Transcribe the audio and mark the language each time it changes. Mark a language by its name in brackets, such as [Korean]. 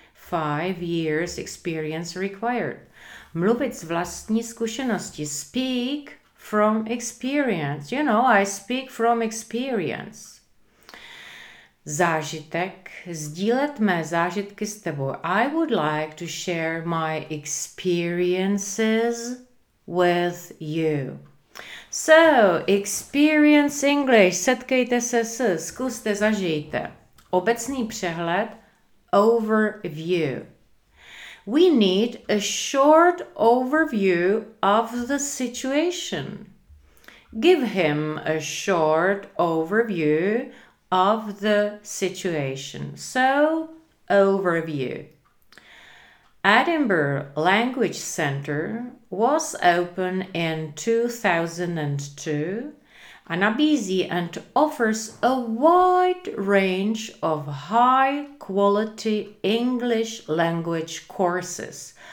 [English] 5 years experience required. [Czech] Mluvit z vlastní zkušenosti, [English] speak from experience. You know, I speak from experience. [Czech] Zážitek, sdílet mé zážitky s tebou. [English] I would like to share my experiences with you. So, experience English, [Czech] setkejte se s, zkuste, zažijte. Obecný přehled, overview. [English] We need a short overview of the situation. Give him a short overview of the situation. So, overview. Edinburgh Language Centre was open in 2002 and nabízí and offers a wide range of high quality English language courses.